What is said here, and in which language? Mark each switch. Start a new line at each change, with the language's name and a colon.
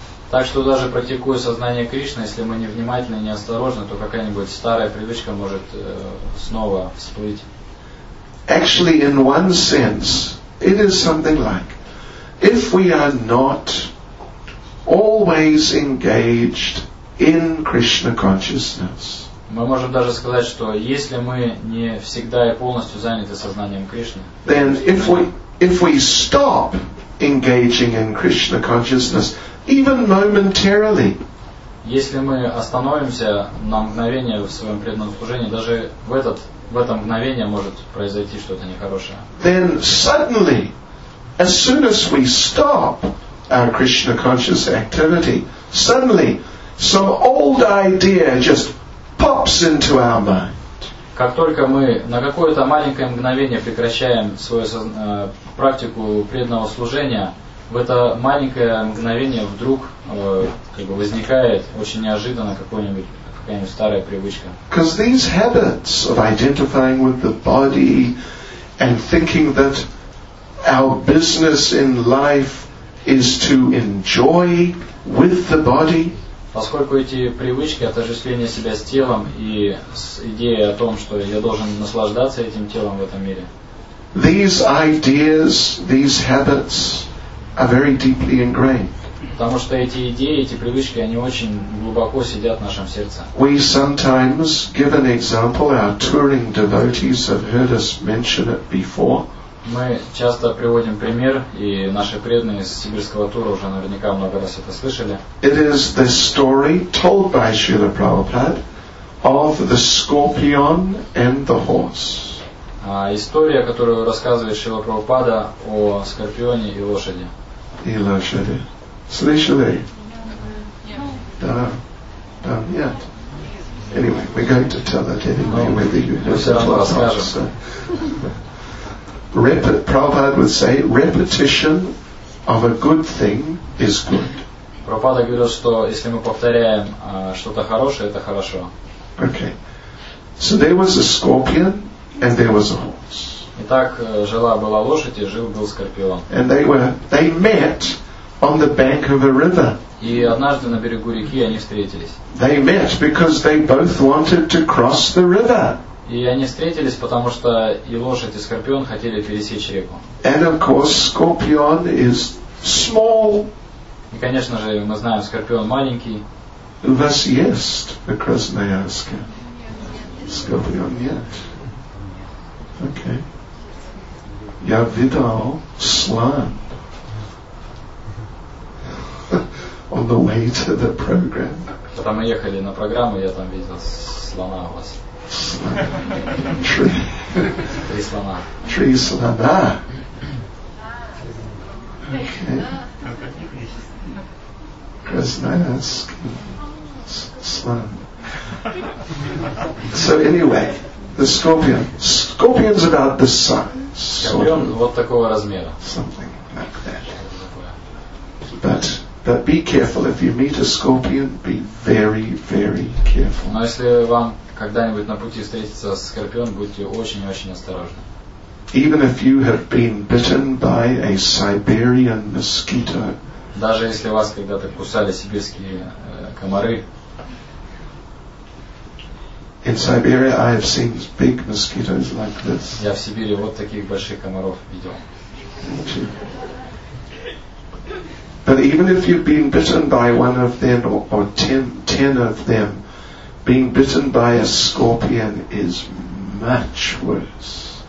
Russian: Так что даже практикуя сознание Кришны, если мы невнимательны и неосторожны, то какая-нибудь старая привычка может снова всплыть.
English: Actually, in one sense, it is something like, if we are not always engaged in Krishna consciousness.
Russian: Мы можем даже сказать, что если мы не всегда и полностью заняты сознанием Кришны,
English: then if we stop engaging in Krishna consciousness, even momentarily.
Russian: Если мы остановимся на мгновение в своем преданном служении, даже в это мгновение может произойти что-то нехорошее.
English: Then suddenly, as soon as we stop our Krishna conscious activity, suddenly some old idea just pops into our mind.
Russian: Как только мы на какое-то маленькое мгновение прекращаем свою практику преданного служения, в это маленькое мгновение вдруг возникает очень неожиданно какая-нибудь старая привычка.
English: Because these habits of identifying with the body and thinking that our business in life is to enjoy with the body.
Russian: Поскольку эти привычки отождествления себя с телом и с идеей о том, что я должен наслаждаться этим телом в этом мире.
English: These ideas, these habits are very deeply ingrained.
Russian: Потому что эти идеи, эти привычки, они очень глубоко сидят в нашем сердце.
English: We sometimes give an example. Our touring devotees have heard us mention it before.
Russian: Мы часто приводим пример, и наши преданные из сибирского тура уже наверняка много раз это слышали.
English: It is the story told by Srila Prabhupada of the scorpion and the horse.
Russian: История, которую рассказывает Шрила Прабхупада о скорпионе и лошади. И лошади. Слышали? Нет. Да. Да, нет.
English: Anyway, we're going to tell that anyway, whether you know that or not. Prabhupada would say, repetition of a good thing is good.
Russian: Прабхупада говорил, что если мы повторяем что-то хорошее, это хорошо.
English: Okay. So there was a scorpion and there was a horse.
Russian: Итак, жила была лошадь и жил был скорпион.
English: And they met on the bank of a river.
Russian: И однажды на берегу реки они встретились.
English: They met because they both wanted to cross the river.
Russian: И они встретились, потому что и лошадь, и скорпион хотели пересечь реку.
English: And of course, scorpion is small.
Russian: И, конечно же, мы знаем, скорпион маленький.
English: Thus yet, because they ask him. Scorpion yet. Okay.
Russian: Я видал слон.
English: On the way to the program.
Russian: Когда мы ехали на программу, я там видел слона у вас. Три слона. Три слона. Красноярск. Слон.
English: So anyway, the scorpion. Scorpion's about this size.
Russian: Скорпион вот такого размера.
English: Something like that. But be careful. If you meet a scorpion, be very, very careful.
Russian: Но если вам когда-нибудь на пути встретиться с скорпионом, будьте очень-очень осторожны.
English: Even if you have been bitten by a Siberian mosquito.
Russian: Даже если вас когда-то кусали сибирские комары.
English: In Siberia, I have seen big mosquitoes like this.
Russian: Я в Сибири вот таких больших комаров видел.
English: But even if you've been bitten by one of them or ten of them, being bitten by a scorpion is much worse.